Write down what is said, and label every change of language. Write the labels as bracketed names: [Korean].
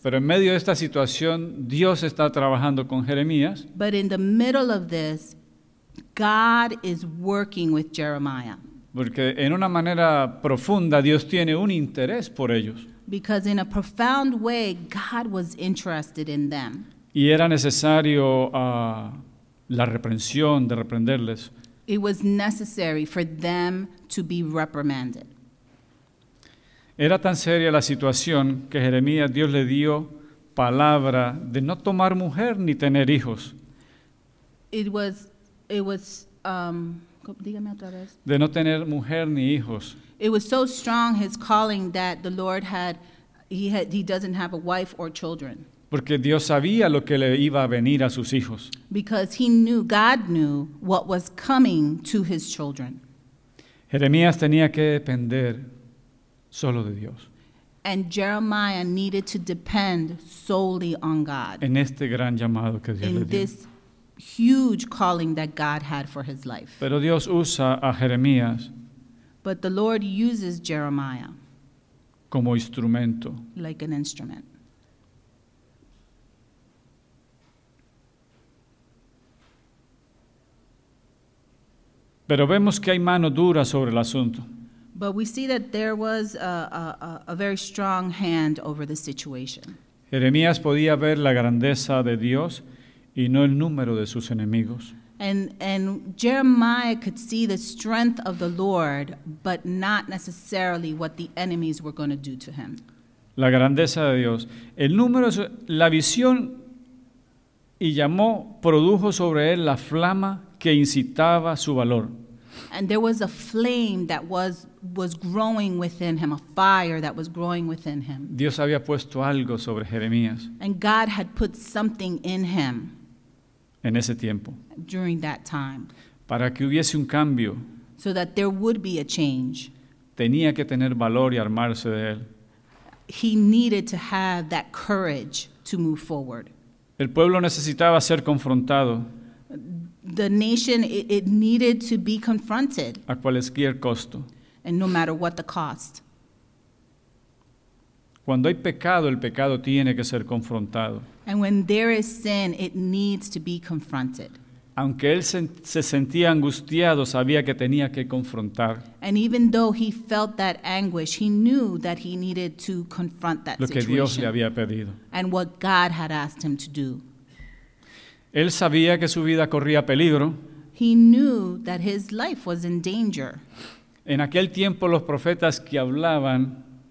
[Spanish] Pero en medio de esta situación, Dios está trabajando con Jeremías. [English] But in the middle of this, God is working with Jeremiah. [Spanish] Porque en una manera profunda, Dios tiene un interés por ellos. [English] Because in a profound way, God was interested in them. [Spanish] Y era necesario la reprensión de reprenderles. [English] It was necessary for them to be reprimanded. [Spanish] Era tan seria la situación que Jeremías, Dios le dio palabra de no tomar mujer ni tener hijos. De no tener mujer ni hijos. [English] It was so strong his calling that the Lord had, he doesn't have a wife or children. [Spanish] Porque Dios sabía lo que le iba a venir a sus hijos. [English] Because he knew, God knew what was coming to his children. [Spanish] Jeremías tenía que depender solo de Dios. [English] And Jeremiah needed to depend solely on God. [Spanish] En este gran llamado que Dios le dio. [English] In this huge calling that God had for his life. [Spanish] Pero Dios usa a Jeremías. [English] But the Lord uses Jeremiah. [Spanish] Como instrumento. [English] Like an instrument. [Spanish] Pero vemos que hay mano dura sobre el asunto. [English] But we see that there was a very strong hand over the situation. [Spanish] Jeremías podía ver la grandeza de Dios y no el número de sus enemigos. [English] And Jeremiah could see the strength of the Lord, but not necessarily what the enemies were going to do to him. [Spanish] La grandeza de Dios. El número, la visión y llamó, produjo sobre él la flama que incitaba su valor. [English] And there was a flame that was growing within him, a fire that was growing within him. [Spanish] Dios había puesto algo sobre Jeremías. [English] And God had put something in him. [Spanish] En ese tiempo. [English] During that time. [Spanish] Para que hubiese un cambio. [English] So that there would be a change. [Spanish] Tenía que tener valor y armarse de él. [English] He needed to have that courage to move forward. [Spanish] El pueblo necesitaba ser confrontado. [English] The nation, it needed to be confronted. [Spanish] A cualquier costo. [English] And no matter what the cost. [Spanish] Cuando hay pecado, el pecado tiene que ser confrontado. [English] And when there is sin, it needs to be confronted. [Spanish] Aunque él se sentía angustiado, sabía que tenía que confrontar. [English] And even though he felt that anguish, he knew that he needed to confront that situation. [Spanish] Lo que Dios le había pedido. [English] And what God had asked him to do. [Spanish] Él sabía que su vida corría peligro. [English] He knew that his life was in danger. [Spanish] En aquel tiempo los profetas que hablaban.